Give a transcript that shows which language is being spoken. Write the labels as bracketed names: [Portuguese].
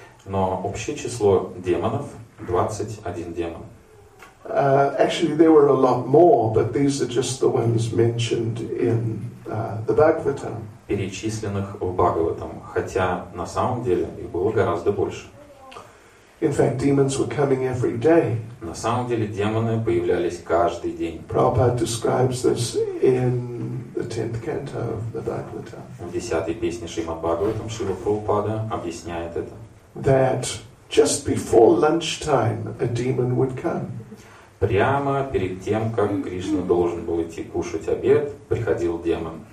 [Russian] Но общее число демонов 21 демон. [English] Actually, there were a lot more, but these are just the ones mentioned in the Bhagavatam. [Russian] Перечисленных в Бхагаватам, хотя на самом деле их было гораздо больше. [English] In fact, demons were coming every day. [Russian] На самом деле демоны появлялись каждый день. [English] Prabhupada describes this in the 10th canto of the Bhagavatam. [Russian] В 10-й песне Шримад Бхагаватам Шрила Прабхупада объясняет это. [English] That just before lunchtime a demon would come. [Russian] Прямо перед тем, как Кришна должен был идти кушать обед, приходил демон.